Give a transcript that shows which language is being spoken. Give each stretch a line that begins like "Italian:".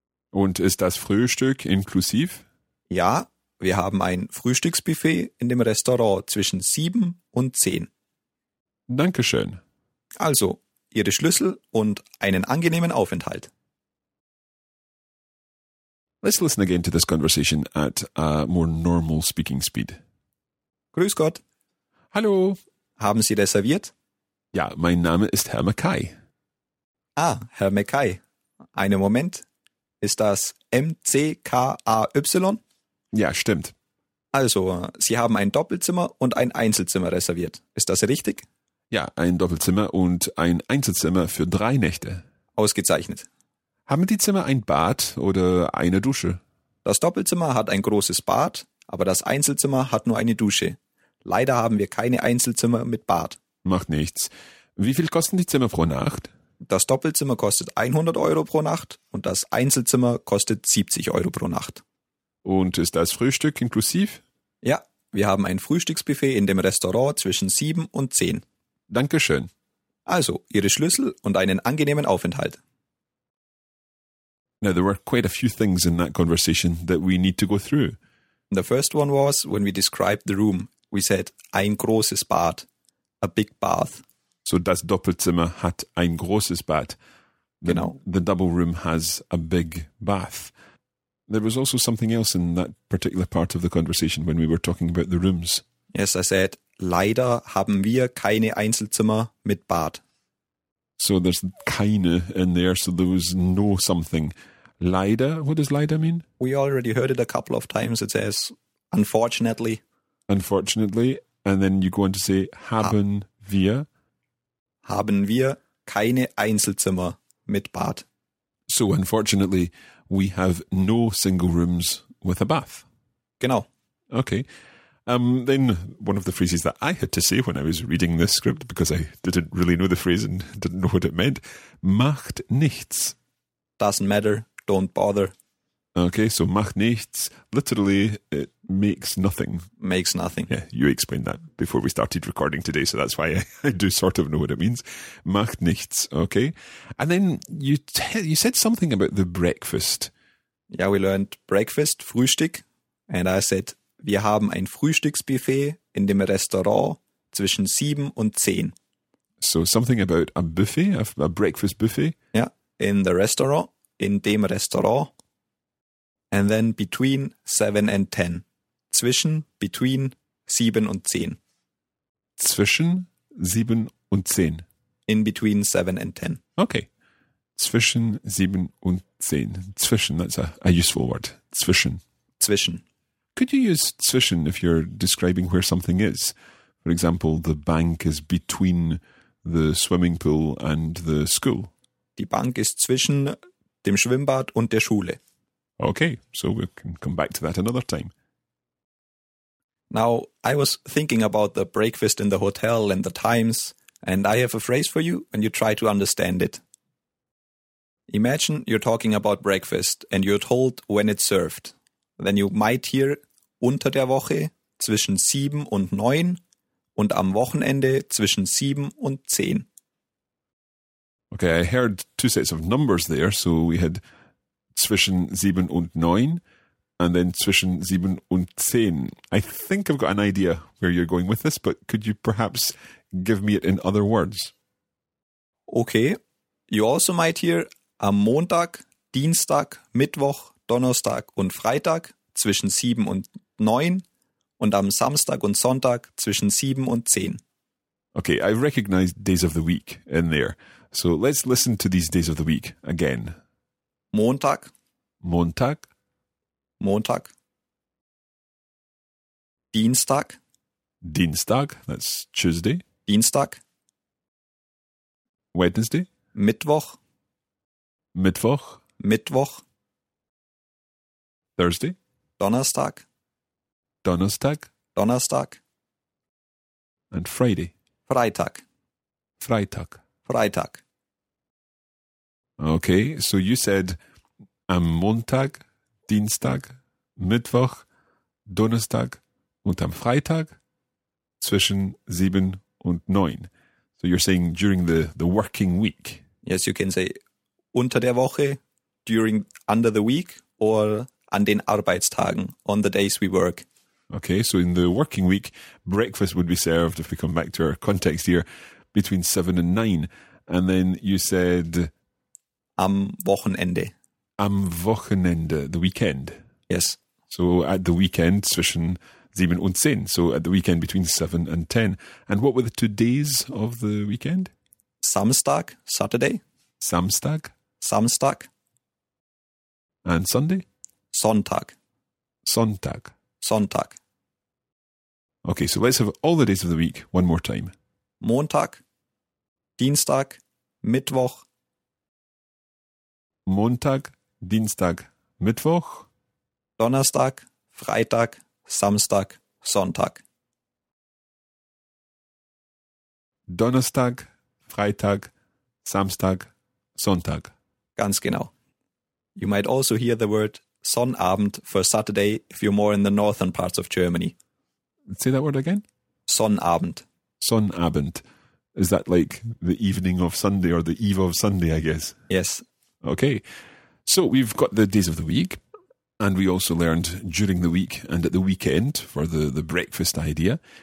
German: Und ist das Frühstück inklusiv? Ja. Wir haben ein Frühstücksbuffet in dem Restaurant zwischen 7 und 10. Dankeschön. Also, Ihre Schlüssel und einen angenehmen Aufenthalt.
English: Let's listen again to this conversation at a more normal speaking speed.
German: Grüß Gott. Hallo. Haben Sie reserviert? Ja, mein Name ist Herr Mackay. Ah, Herr Mackay. Einen Moment. Ist das M-C-K-A-Y? Ja, stimmt. Also, Sie haben ein Doppelzimmer und ein Einzelzimmer reserviert. Ist das richtig? Ja, ein Doppelzimmer und ein Einzelzimmer für 3 Nächte. Ausgezeichnet. Haben die Zimmer ein Bad oder eine Dusche? Das Doppelzimmer hat ein großes Bad, aber das Einzelzimmer hat nur eine Dusche. Leider haben wir keine Einzelzimmer mit Bad. Macht nichts. Wie viel kosten die Zimmer pro Nacht? Das Doppelzimmer kostet 100 Euro pro Nacht und das Einzelzimmer kostet 70 Euro pro Nacht. Und ist das Frühstück inklusiv? Ja, wir haben ein Frühstücksbuffet in dem Restaurant zwischen 7 und 10. Dankeschön. Also, Ihre Schlüssel und einen angenehmen Aufenthalt.
English: Now, there were quite a few things in that conversation that we need to go through. The first one was, when we described the room, we said,
German: ein großes Bad,
English: a big bath.
German: So, das Doppelzimmer hat ein großes Bad. Genau.
English: The double room has a big bath. There was also something else in that particular part of the conversation when we were talking about the rooms. Yes, I said,
German: leider haben wir keine Einzelzimmer mit Bad.
English: So there's keine in there, so there was no something. Leider, what does leider mean? We already heard it a couple of times. It says, unfortunately. Unfortunately, and then you go on to say,
German: haben wir. Haben wir keine Einzelzimmer mit Bad.
English: So unfortunately, we have no single rooms with a bath.
German: Genau.
English: Okay. Then one of the phrases that I had to say when I was reading this script, because I didn't really know the phrase and didn't know what it meant,
German: macht nichts.
English: Doesn't matter. Don't bother. Okay, so
German: macht nichts.
English: Literally, it makes nothing. Makes nothing. Yeah, you explained that before we started recording today, so that's why I do sort of know what it means.
German: Macht nichts,
English: okay. And then you said something about the breakfast. Yeah, we learned breakfast, Frühstück. And I said,
German: wir haben ein Frühstücksbuffet in dem Restaurant zwischen 7 und 10.
English: So something about a buffet, a breakfast buffet. Yeah, in the restaurant,
German: in dem Restaurant.
English: And then between 7 and 10.
German: Zwischen,
English: between
German: 7 und 10. Zwischen 7 und 10.
English: In between 7 and 10.
German: Okay. Zwischen 7 und 10.
English: Zwischen, that's a useful word. Zwischen.
German: Zwischen.
English: Could you use zwischen if you're describing where something is? For example, the bank is between the swimming pool and the school.
German: Die Bank ist zwischen dem Schwimmbad und der Schule.
English: Okay, so we can come back to that another time. Now, I was thinking about the breakfast in the hotel and the times, and I have a phrase for you, and you try to understand it. Imagine you're talking about breakfast, and you're told when it's served. Then you might hear
German: unter der Woche zwischen 7 und 9, und am Wochenende zwischen 7 und 10.
English: Okay, I heard two sets of numbers there, so we had
German: zwischen 7 und 9,
English: and then
German: zwischen 7 und 10.
English: I think I've got an idea where you're going with this, but could you perhaps give me it in other words? Okay. You also might hear
German: am Montag, Dienstag, Mittwoch, Donnerstag und Freitag zwischen 7 und 9, und am Samstag und Sonntag zwischen 7 und 10.
English: Okay, I recognize days of the week in there. So let's listen to these days of the week again.
German: Montag. Montag. Montag. Dienstag.
English: Dienstag. That's Tuesday.
German: Dienstag.
English: Wednesday.
German: Mittwoch. Mittwoch. Mittwoch.
English: Thursday.
German: Donnerstag. Donnerstag. Donnerstag.
English: And Friday.
German: Freitag. Freitag. Freitag.
English: Okay, so you said
German: am Montag, Dienstag, Mittwoch, Donnerstag und am Freitag zwischen 7 und 9.
English: So you're saying during the working week. Yes, you can say
German: unter der Woche,
English: during under the week or
German: an den Arbeitstagen,
English: on the days we work. Okay, so in the working week, breakfast would be served, if we come back to our context here, between 7 and 9. And then you said
German: am Wochenende. Am Wochenende,
English: the weekend. Yes. So at the weekend
German: zwischen 7 und 10.
English: So at the weekend between 7 and 10. And what were the 2 days of the weekend?
German: Samstag,
English: Saturday.
German: Samstag. Samstag.
English: And Sunday?
German: Sonntag. Sonntag. Sonntag.
English: Okay, so let's have all the days of the week one more time.
German: Montag, Dienstag, Mittwoch. Montag, Dienstag, Mittwoch. Donnerstag, Freitag, Samstag, Sonntag. Donnerstag, Freitag, Samstag, Sonntag. Ganz genau.
English: You might also hear the word Sonnabend for Saturday if you're more in the northern parts of Germany. Say that word again.
German: Sonnabend. Sonnabend.
English: Is that like the evening of Sunday or the eve of Sunday, I guess? Yes. Okay, so we've got the days of the week, and we also learned during the week and at the weekend for the breakfast idea.